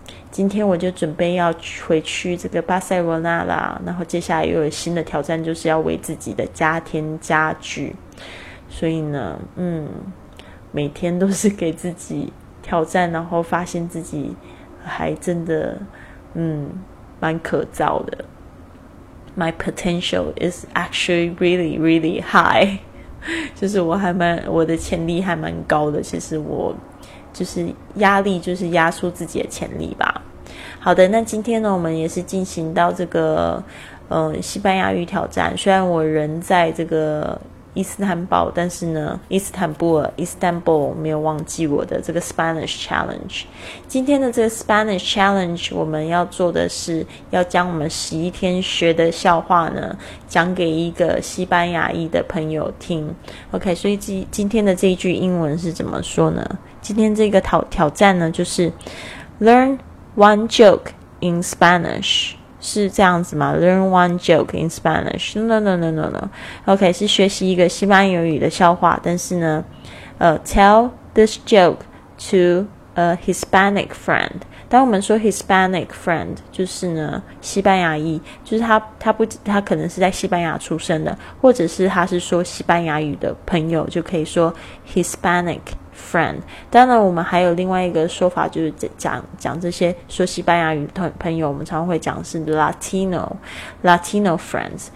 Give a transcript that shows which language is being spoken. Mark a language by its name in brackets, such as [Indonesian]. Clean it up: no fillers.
[Chinese] 今天我就准备要回去这个巴塞罗那啦，然后接下来又有新的挑战，就是要为自己的家添家具，所以呢每天都是给自己挑战，然后发现自己还真的蛮可造的。 [English] My potential is actually really, really high. [Chinese] 就是我的潜力还蛮高的。其实我就是压力，就是压缩自己的潜力吧。好的，那今天呢，我们也是进行到这个西班牙语挑战。虽然我人在这个伊斯坦堡，但是呢，伊斯坦布尔没有忘记我的这个 Spanish Challenge。今天的这个 Spanish Challenge， 我们要做的是要将我们11天学的笑话呢，讲给一个西班牙裔的朋友听。 OK， 所以今天的这一句英文是怎么说呢？今天这个挑战呢，就是 Learn one joke in Spanish。是这样子吗？ [English] Learn one joke in Spanish. No. OK，是学习一个西班牙语的笑话，但是呢 tell this joke to a Hispanic friend. [Chinese] 当我们说 Hispanic friend， 就是呢西班牙裔，就是他可能是在西班牙出生的，或者是他是说西班牙语的朋友，就可以说 Hispanic friend。当然我们还有另外一个说法，就是讲这些说西班牙语的朋友，我们常会讲是 Latino friends。